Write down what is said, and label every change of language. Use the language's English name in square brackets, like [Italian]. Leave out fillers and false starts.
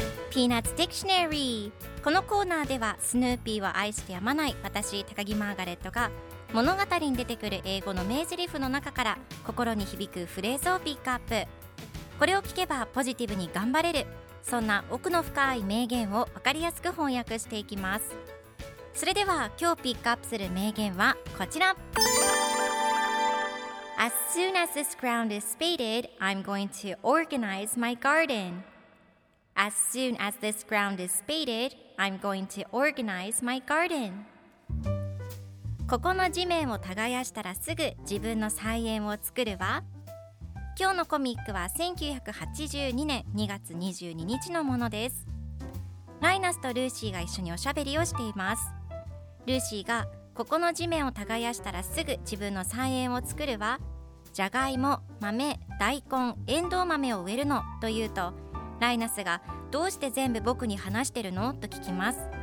[Japanese] ピーナッツ・ディクショナリー。このコーナーではスヌーピーを愛してやまない私高木マーガレットが物語に出てくる英語の名台詞の中から心に響くフレーズをピックアップ。これを聞けばポジティブに頑張れる、そんな奥の深い名言を分かりやすく翻訳していきます。それでは今日ピックアップする名言はこちら。 [English] As soon as this ground is spaded, I'm going to organize my garden. As soon as this ground is spaded, I'm going to organize my garden. [Japanese] ここの地面を耕したらすぐ自分の菜園を作るわ。今日のコミックは1982年2月22日のものです。ライナスとルーシーが一緒におしゃべりをしています。ルーシーがここの地面を耕したらすぐ自分の菜園を作るわ、じゃがいも、豆、大根、エンドウ豆を植えるのと言うと、ライナスがどうして全部僕に話してるのと聞きます。